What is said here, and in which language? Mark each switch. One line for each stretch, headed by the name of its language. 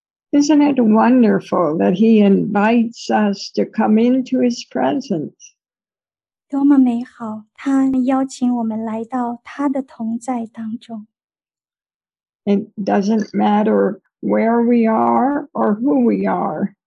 English: Isn't it wonderful that he invites us to come into his presence?
Chinese: 多么美好，他邀请我们来到他的同在当中。
English: It doesn't matter where we are or who we are.